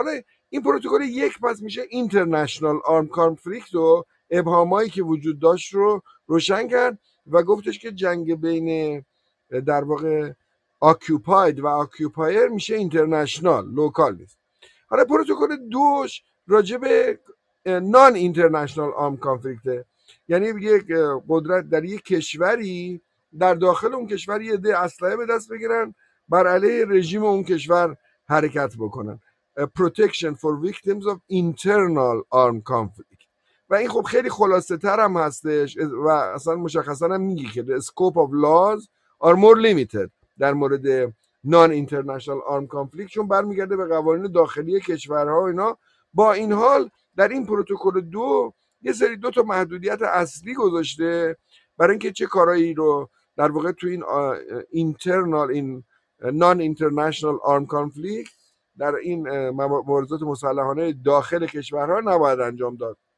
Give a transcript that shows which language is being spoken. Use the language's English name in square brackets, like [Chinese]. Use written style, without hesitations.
[Persian] حالا این پروتکل یک پس میشه اینترنشنال آرم کانفلیکت و ابهامایی که وجود داشت رو روشن کرد و گفتش که جنگ بین در واقع اکیوپاید و اکیوپایر میشه اینترنشنال لوکال نیست. حالا پروتکل دوش راجع به نان اینترنشنال آرم کانفلیکته، یعنی یک قدرت در یک کشوری در داخل اون کشور یه ده اسلحه به دست بگیرن بر علیه رژیم اون کشور حرکت بکنن. [English] Protection for victims of internal armed conflict. [Persian] و این خب خیلی خلاصه تر هم هستش و اصلا مشخصا هم میگی که [English] the scope of laws are more limited [Persian] در مورد [English] non-international armed conflict، [Persian] چون برمیگرده به قوانین داخلی کشورها و اینا. با این حال در این پروتکل دو یه سری دو تا محدودیت اصلی گذاشته برای اینکه چه کارهایی رو در واقع تو این [English] internal in non-international armed conflict [Persian] در این مبارزات مسلحانه داخل کشورها نباید انجام داد،